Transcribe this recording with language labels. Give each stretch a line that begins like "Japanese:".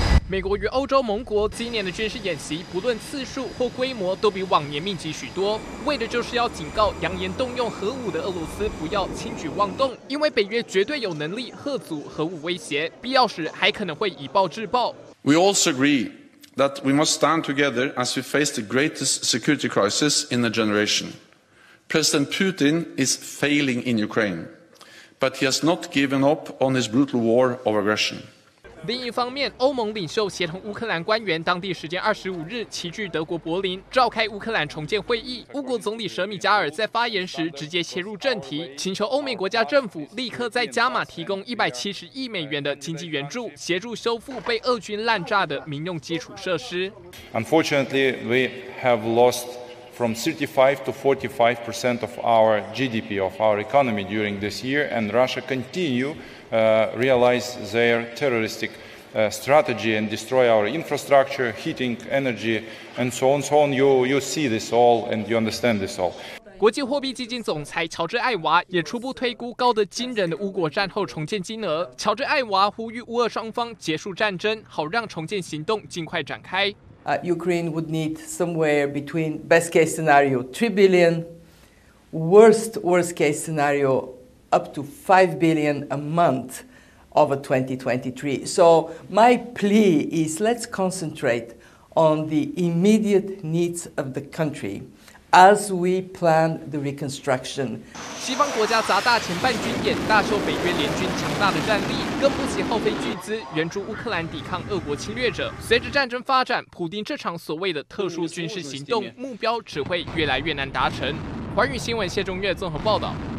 Chinese: 美国与欧洲盟国今年的军事演习，不论次数或规模，都比往年密集许多，为的就是要警告扬言动用核武的俄罗斯不要轻举妄动，因为北约绝对有能力吓阻核武威胁，必要时还可能会以暴制暴。
English: We also agree that we must stand together as we face the greatest security crisis in a generation. President Putin is failing in Ukraine, but he has not given up on his brutal war of aggression.
Chinese: 另一方面，欧盟领袖协同乌克兰官员当地时间25日齐聚德国柏林，召开乌克兰重建会议。乌国总理舍米加尔在发言时直接切入正题，请求欧美国家政府立刻再加码提供170亿美元的经济援助，协助修复被俄军滥炸的民用基础设施。
English: Unfortunately, we have lost from 35% to 45% of our GDP of our economy during this year, and Russia continue. Realize their terroristic strategy and destroy our infrastructure, heating, energy, and so on, so on. You see this all and you understand this all.
Chinese: 国际货币基金总裁乔治·艾娃也初步推估高得惊人的乌国战后重建金额。乔治·艾娃呼吁乌俄双方结束战争，好让重建行动尽快展开。
English: Ukraine would need somewhere between best case scenario $3 billion, worst case scenario. Up to $5 billion a month over 2023. So my plea is, let's concentrate on the immediate needs of the country as we plan the reconstruction.
Chinese: 西方国家砸大钱办军演，大秀北约联军强大的战力，更不惜耗费巨资援助乌克兰抵抗俄国侵略者。随着战争发展，普丁这场所谓的特殊军事行动目标只会越来越难达成。环宇新闻谢中岳综合报道。